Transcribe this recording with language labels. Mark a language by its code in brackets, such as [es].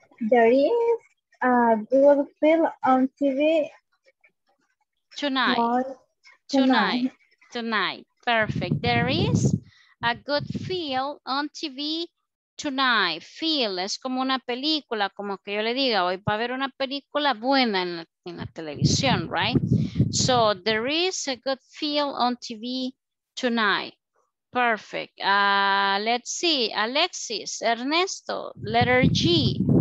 [en] There is. Dual film on TV tonight. Perfect. There is a good feel on TV tonight. [es] Feel es como una película, como que yo le diga, hoy va a haber una película buena en la televisión, right? [en] So there is a good feel on TV tonight. Perfect. Let's see. Alexis, Ernesto, letter G.